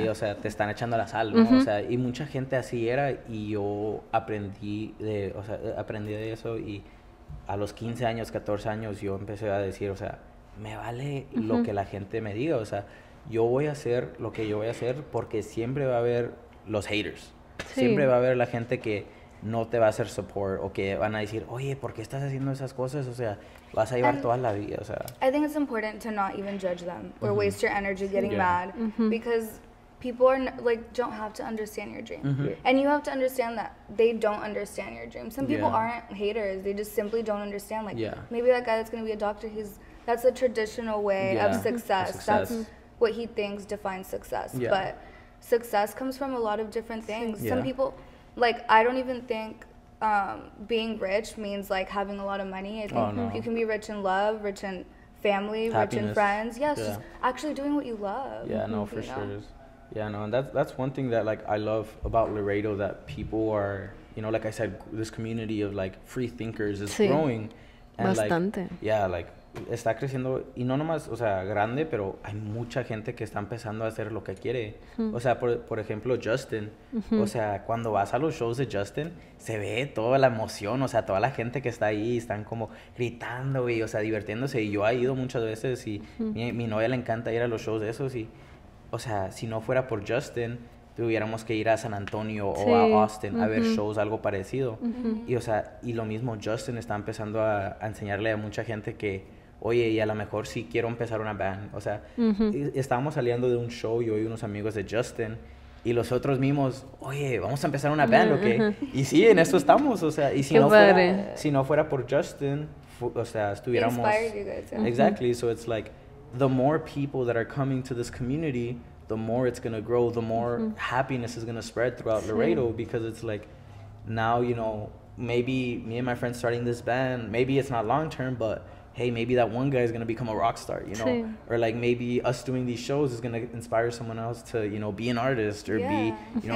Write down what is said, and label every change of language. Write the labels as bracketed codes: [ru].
[es] Sí, o sea, te están echando la sal, ¿no? Uh-huh. O sea, y mucha gente así era, y yo aprendí de eso, y a los 15 años, 14 años, yo empecé a decir, o sea, me vale, uh-huh, lo que la gente me diga, o sea, yo voy a hacer lo que yo voy a hacer, porque siempre va a haber los haters. Sí. Siempre va a haber la gente que no te va a hacer support, o que van a decir, oye, ¿por qué estás haciendo esas cosas? O sea, vas a llevar toda la vida, o sea. [en] I think it's important to not even judge them or, mm-hmm, waste your energy getting, yeah, mad, mm-hmm, because people are don't have to understand your dream. Mm-hmm. Yeah. And you have to understand that they don't understand your dream. Some people, yeah, aren't haters. They just simply don't understand. Like, yeah, maybe that guy that's going to be a doctor, that's a traditional way, yeah, of success. That's, mm-hmm, what he thinks defines success. Yeah. But success comes from a lot of different things. Yeah. Some people, like, I don't even think being rich means like having a lot of money. I think, oh, no, you can be rich in love, rich in family, happiness, rich in friends. Yes, yeah, just actually doing what you love. Yeah, no, for sure. Know? Yeah, no, and that's one thing that, like, I love about Laredo, that people are, you know, like I said, this community of, like, free thinkers is, sí, growing. [es] And, bastante. [en] Like, yeah, like, [es] está creciendo, y no nomás, o sea, grande, pero hay mucha gente que está empezando a hacer lo que quiere. Mm-hmm. O sea, por ejemplo, Justin. Mm-hmm. O sea, cuando vas a los shows de Justin, se ve toda la emoción, o sea, toda la gente que está ahí, están como gritando y, o sea, divirtiéndose. Y yo he ido muchas veces, y, mm-hmm, mi novia le encanta ir a los shows de esos, y... O sea, si no fuera por Justin, tuviéramos que ir a San Antonio, sí, o a Austin, uh-huh, a ver shows, algo parecido. Uh-huh. Y, o sea, y lo mismo, Justin está empezando a enseñarle a mucha gente que, oye, y a lo mejor sí quiero empezar una band. O sea, uh-huh, estábamos saliendo de un show, yo y unos amigos de Justin, y los otros mismos, oye, vamos a empezar una band, uh-huh, ¿ok? Uh-huh. Y sí, en eso estamos, o sea, y si no fuera por Justin, o sea, estuviéramos... [en] Inspired you guys, yeah. Exactly, uh-huh, so it's like... The more people that are coming to this community, the more it's going to grow, the more, mm-hmm, happiness is going to spread throughout, sí, Laredo, because it's like, now, you know, maybe me and my friend starting this band, maybe it's not long term, but hey, maybe that one guy is going to become a rock star, you know, sí, or like maybe us doing these shows is going to inspire someone else to, you know, be an artist or, yeah, be, you know,